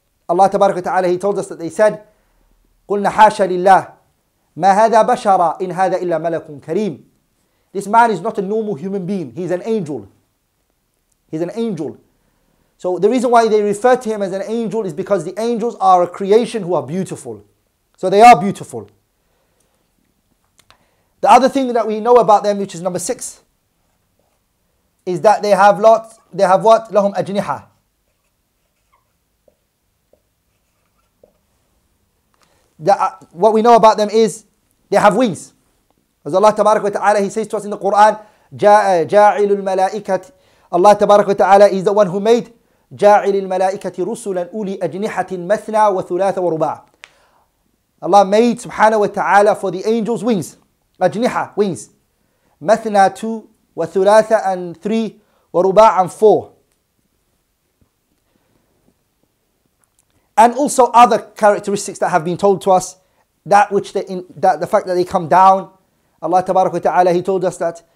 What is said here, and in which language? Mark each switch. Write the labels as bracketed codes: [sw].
[ar] Allah تبارك وتعالى [en] He told us that they said [ar] قلنا حاشا لله ما هذا بشرا إن هذا إلا ملك كريم. [en] This man is not a normal human being. He's an angel. He's an angel. So the reason why they refer to him as an angel is because the angels are a creation who are beautiful. So they are beautiful. The other thing that we know about them, which is number six, is that they have lots, they have what? [ar] لهم أجنحة. [en] What we know about them is they have wings. As Allah Tabarak wa Ta'ala, He says to us in the Quran, [ar] جاعل الملائكة. [en] Allah Tabarak wa Ta'ala is the one who made [ar] جاعل الملائكة رسلا أولي أجنحة مثنى وثلاثة ورباع. [en] Allah made subhanahu wa ta'ala for the angels wings. [ar] أجنحة, [en] wings. [ar] مثنى [en] two, [ar] وثلاثة [en] and three, [ar] ورباع [en] and four. And also other characteristics that have been told to us, that which they in, that the fact that they come down, Allah tabarak wa ta'ala, He told us that.